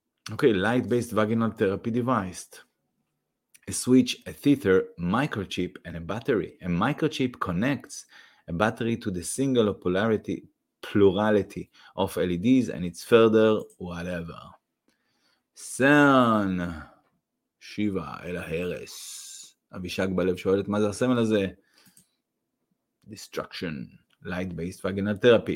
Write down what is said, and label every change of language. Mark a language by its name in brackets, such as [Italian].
[English] אוקיי, light-based vaginal therapy device. A switch, a tether, microchip, and a battery. A microchip connects a battery to the single or plurality of LEDs, and it's further, whatever. [Hebrew] סן, שיבה, אל ההרס. אבישג בלב שואלת, מה זה הסמל הזה? [English] Destruction, light-based vaginal therapy.